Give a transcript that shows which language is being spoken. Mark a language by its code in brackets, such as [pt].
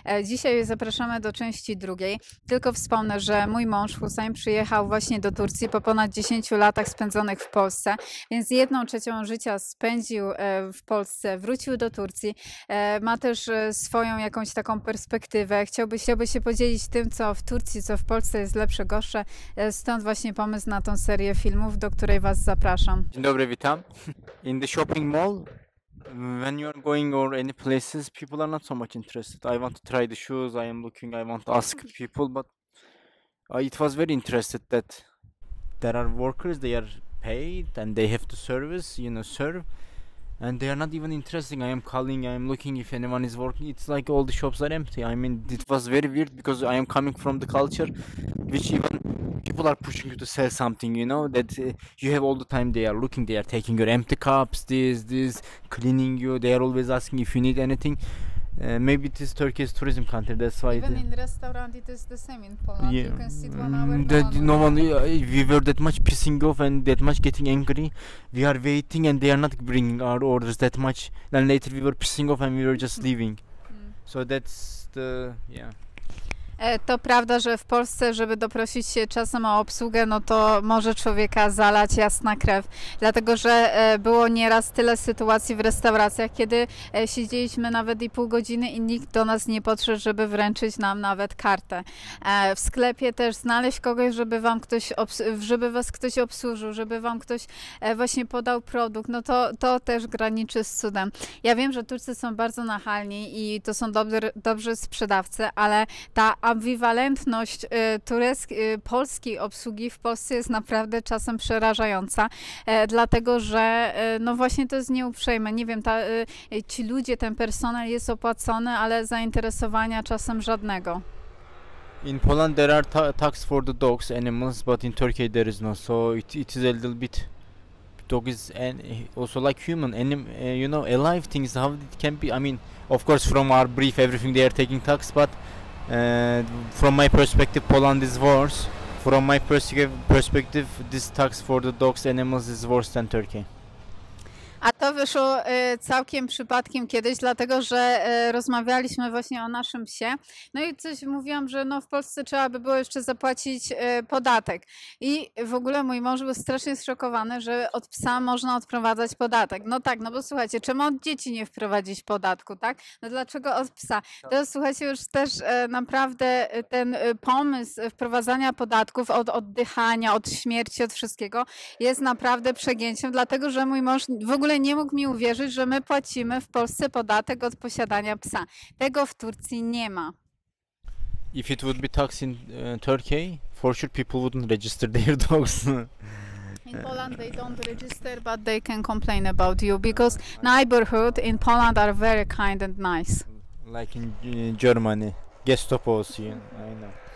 [pl] Dzisiaj zapraszamy do części drugiej. Tylko wspomnę, że mój mąż Hussein przyjechał właśnie do Turcji po ponad 10 latach spędzonych w Polsce, więc 1/3 życia spędził w Polsce, wrócił do Turcji. Ma też swoją jakąś taką perspektywę. Chciałby się podzielić tym, co w Turcji, co w Polsce jest lepsze, gorsze. Stąd właśnie pomysł na tą serię filmów, do której Was zapraszam. Dzień dobry, witam. [en] In the shopping mall, when you are going or any places, people are not so much interested. I want to try the shoes, I am looking, I want to ask people, but it was very interested that there are workers, they are paid and they have to service, you know, serve, and they are not even interested. I am calling, I am looking if anyone is working. It's like all the shops are empty. I mean, it was very weird because I am coming from the culture which even people are pushing you to sell something, you know, that you have all the time, they are looking, they are taking your empty cups, this, cleaning you, they are always asking if you need anything. Maybe it is Turkey's tourism country, that's why. Even in restaurant, it is the same in Poland, yeah. You can sit 1 hour, that, no one. We were that much pissing off and that much getting angry. We are waiting and they are not bringing our orders that much. Then later we were pissing off and we were just leaving. So that's the, yeah. [pl] To prawda, że w Polsce, żeby doprosić się czasem o obsługę, no to może człowieka zalać jasna krew. Dlatego, że było nieraz tyle sytuacji w restauracjach, kiedy siedzieliśmy nawet i pół godziny i nikt do nas nie podszedł, żeby wręczyć nam nawet kartę. W sklepie też znaleźć kogoś, żeby was ktoś obsłużył, żeby wam ktoś właśnie podał produkt, no to też graniczy z cudem. Ja wiem, że Turcy są bardzo nachalni i to są dobrzy sprzedawcy, ale ta ambiwalentność polskiej obsługi w Polsce jest naprawdę czasem przerażająca, dlatego że no właśnie to jest nieuprzejme. Nie wiem, ci ludzie, ten personel jest opłacony, ale zainteresowania czasem żadnego. [en] In Poland there are tax for the dogs, animals, but in Turkey there is no, so it is a little bit. Dog is also like human, you know, alive things. How it can be? I mean, of course, from our brief, everything they are taking tax, but from my perspective, Poland is worse. From my perspective, this tax for the dogs, animals is worse than Turkey. [pl] A to wyszło całkiem przypadkiem kiedyś, dlatego że rozmawialiśmy właśnie o naszym psie. No i coś mówiłam, że no w Polsce trzeba by było jeszcze zapłacić podatek. I w ogóle mój mąż był strasznie zszokowany, że od psa można odprowadzać podatek. No tak, no bo słuchajcie, czemu od dzieci nie wprowadzić podatku, tak? No dlaczego od psa? To słuchajcie, już też naprawdę ten pomysł wprowadzania podatków od oddychania, od śmierci, od wszystkiego jest naprawdę przegięciem, dlatego że mój mąż w ogóle nie mógł mi uwierzyć, że my płacimy w Polsce podatek od posiadania psa. Tego w Turcji nie ma. [en] If it would be tax in Turkey, for sure people wouldn't register their dogs. In Poland they don't register, but they can complain about you because neighborhood in Poland are very kind and nice. Like in Germany, Gestapo's, you know. I know.